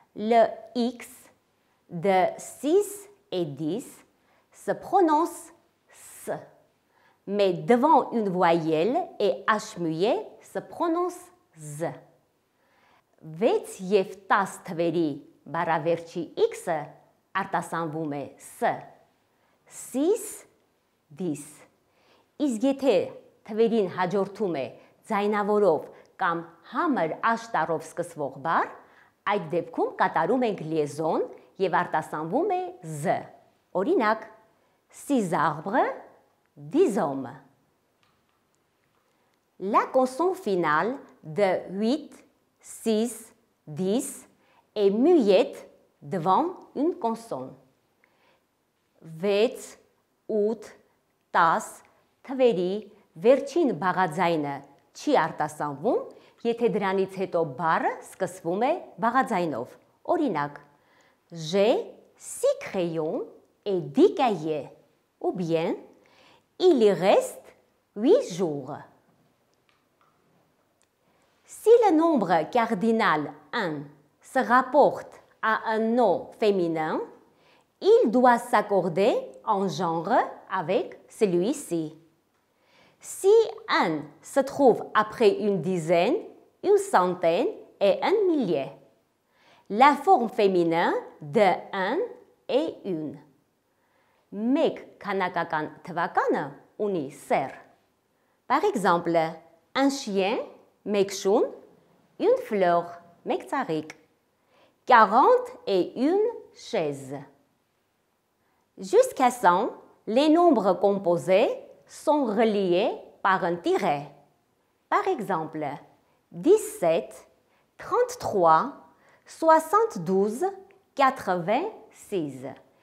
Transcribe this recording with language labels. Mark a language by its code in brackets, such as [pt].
[fr] Le X de 6 et 10 se prononce S, mais devant une voyelle et H muet se prononce Z. [hy] Վեց և տաս թվերի բառավերջի X-ը արտասանվում է S. [fr] Sis, dis. [hy] Իսկ եթե թվերին հաջորդում է ձայնավորով կամ համր աշտարով սկսվող բառ, այդ դեպքում կատարում ենք լիեզոն և արտասանվում է Z. [fr] Օրինակ, six arbres, dix hommes. La consonne finale de 8, 6, 10 est muette devant une consonne. [hy] Վեց, ութ, տաս, թվերի, վերջին բաղաձայնը չի արտասանվում, եթե դրանից հետո բառը սկսվում է բաղաձայնով. [fr] Օրինակ, j'ai six crayons et dix cahiers. Ou bien, il y reste 8 jours. Si le nombre cardinal 1 se rapporte à un nom féminin, il doit s'accorder en genre avec celui-ci. Si 1 se trouve après une dizaine, une centaine et un millier, la forme féminine de 1 est 1. [hy] Մեկ քանակական թվականը ունի սեռ։ [fr] Par exemple, un chien, [hy] մեկ շուն, [fr] une fleur, [hy] մեկ ծաղիկ. [fr] 40 et une chaise. Jusqu'à 100, les nombres composés sont reliés par un tiret. Par exemple, 17, 33, 72, 86.